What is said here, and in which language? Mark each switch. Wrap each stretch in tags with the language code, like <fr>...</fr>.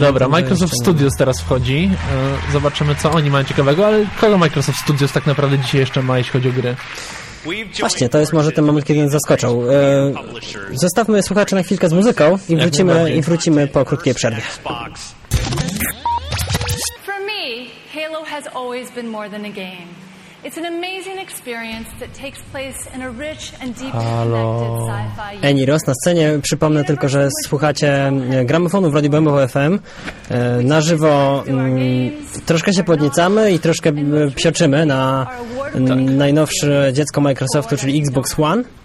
<pl>Dobra, Microsoft Studios teraz wchodzi. Zobaczymy, co oni mają ciekawego, ale kogo Microsoft Studios tak naprawdę dzisiaj jeszcze ma, jeśli chodzi o gry? Właśnie, to jest może ten moment, kiedy nas zaskoczył. Zostawmy słuchaczy na chwilkę z muzyką i wrócimy, po krótkiej przerwie.</pl> <en>For me, Halo has always been more than a game. It's an amazing experience that takes place in a rich and deep connected sci-fi.</en> <pl>Eniros na scenie. Przypomnę tylko, że słuchacie gramofonu w Radiu BMW FM na żywo. Troszkę się podniecamy i troszkę psioczymy na najnowsze dziecko Microsoftu, czyli Xbox One.</pl>